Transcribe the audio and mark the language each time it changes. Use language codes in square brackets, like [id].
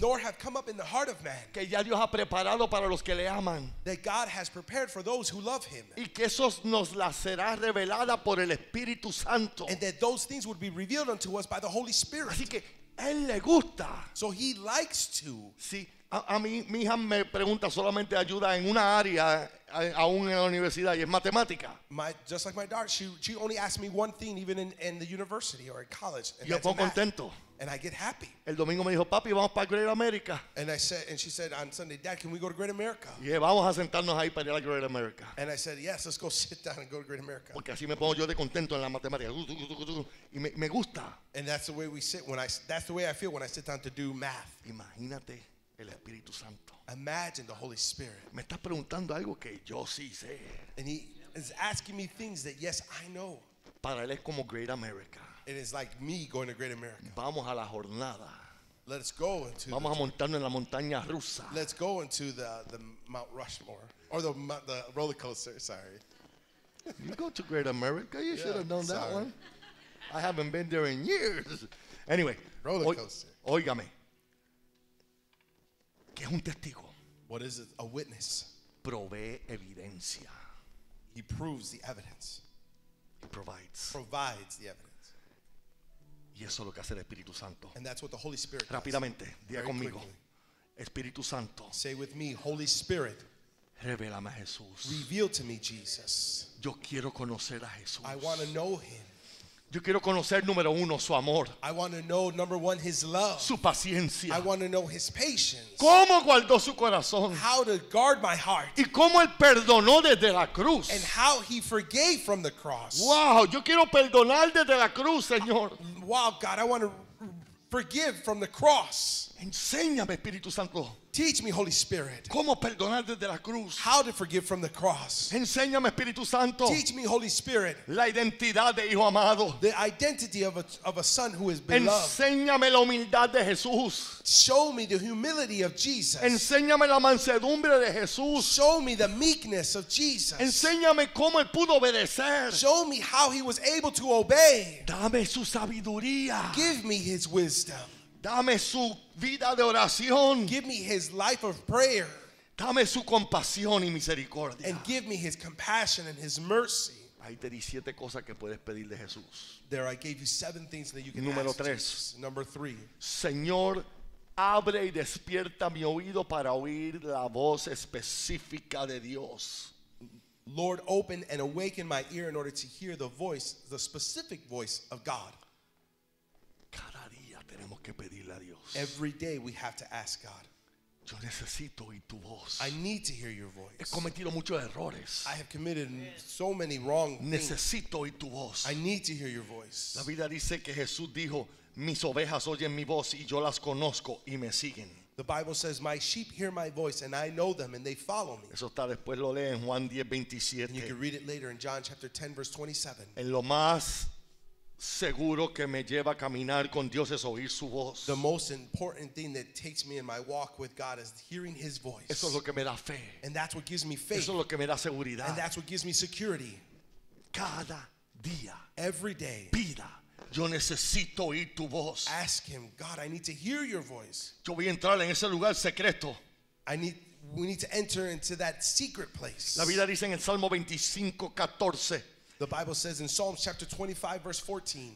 [en] Nor have come up in the heart of man. [es] Que ya Dios ha preparado para los que le aman. [en] That God has prepared for those who love him. [es] Y que eso nos la será revelada por el Espíritu Santo. [en] And that those things would be revealed unto us by the Holy Spirit. [es] Así que él le gusta. [en] So he likes to. [es] Sí. A mí, mi hija me pregunta solamente ayuda en una área, aún en la universidad, y es matemática. [en] Just like my daughter, she only asked me one thing, even in the university or in college. [es] Y yo pongo contento. [en] And I get happy. [es] El domingo me dijo, papi, vamos para Great America. [en] And she said on Sunday, Dad, can we go to Great America? [es] Yeah, vamos a sentarnos ahí para ir a Great America. [en] And I said, yes, let's go sit down and go to Great America. [es] Porque así me pongo yo de contento en la matemática. Y me gusta. [en] And that's the way we sit when I. That's the way I feel when I sit down to do math. [es] Imagínate. El Espíritu Santo. [en] Imagine the Holy Spirit. [es] Me está preguntando algo que yo sí sé. [en] And he is asking me things that yes, I know. [es] Para él es como Great America. [en] It is like me going to Great America. [es] Vamos a la jornada. [en] Let's go into. [es] Vamos a montarnos en la montaña rusa. [en] Let's go into the Mount Rushmore or the roller coaster. Sorry. You go to Great America. You should have known that one. I haven't been there in years. Anyway. Roller coaster. [es] Óigame. Que es un testigo. [en] What is it? A witness. [es] Provee evidencia. [en] He proves the evidence. He provides. Provides the evidence. [es] Y eso es lo que hace el Espíritu Santo. [en] And that's what the Holy Spirit does. [es] Rápidamente, diga conmigo. [en] Quickly. [es] Espíritu Santo. [en] Say with me, Holy Spirit. [es] Revélame a Jesús. [en] Reveal to me Jesus. [es] Yo quiero conocer a Jesús. [en] I want to know him. [es] Yo quiero conocer número uno su amor. [en] I want to know number one his love. [es] Su paciencia. [en] I want to know his patience. [es] ¿Cómo guardó su corazón? [en] How to guard my heart. [es] ¿Y cómo él perdonó desde la cruz? [en] And how he forgave from the cross. [es] Wow, yo quiero perdonar desde la cruz, Señor. [en] Wow, God, I want to forgive from the cross. [es] Enséñame, Espíritu Santo. [en] Teach me, Holy Spirit. [es] ¿Cómo perdonar desde la cruz? [en] How to forgive from the cross. [es] Enséñame, Espíritu Santo. [en] Teach me, Holy Spirit. [es] La identidad de hijo amado. [en] The identity of a son who is beloved. [es] Enséñame la humildad de Jesús. [en] Show me the humility of Jesus. [es] Enséñame la mansedumbre de Jesús. [en] Show me the meekness of Jesus. [es] Enséñame cómo él pudo obedecer. [en] Show me how he was able to obey. [es] Dame su sabiduría. [en] Give me his wisdom. [es] Dame su vida de oración. [en] Give me his life of prayer. [es] Dame su compasión y misericordia. [en] And give me his compassion and his mercy. [es] Ahí te di siete cosas que puedes pedir de Jesús. [en] There I gave you seven things that you can [es] Número [en] ask [es] tres. [en] Jesus. Number three. [es] Señor, abre y despierta mi oído para oír la voz específica de Dios. [en] Lord, open and awaken my ear in order to hear the voice, the specific voice of God. [es] Tenemos que pedirle a Dios. [en] Every day we have to ask God. [es] Yo necesito oír tu voz. [en] I need to hear your voice. [es] He cometido muchos errores. [en] I have committed so many wrong things. [es] Necesito oír tu voz. [en] I need to hear your voice. [es] La Biblia dice que Jesús dijo, mis ovejas oyen mi voz y yo las conozco y me siguen. [en] The Bible says, my sheep hear my voice and I know them and they follow me. [es] Eso está después lo lee en Juan 10:27. [en] And you can read it later in John chapter 10 verse 27. [es] En lo más seguro que me lleva a caminar con Dios es oír su voz. [en] The most important thing that takes me in my walk with God is hearing his voice. [es] Eso es lo que me da fe. [en] And that's what gives me faith. [es] Eso es lo que me da seguridad. [en] And that's what gives me security. [es] Cada día. [en] Every day. [es] Pida. Yo necesito oír tu voz. [en] Ask him, God, I need to hear your voice. [es] Yo voy a entrar en ese lugar secreto. [en] We need to enter into that secret place. [es] La Biblia dice en el Salmo 25:14. [en] The Bible says in Psalms chapter 25 verse 14.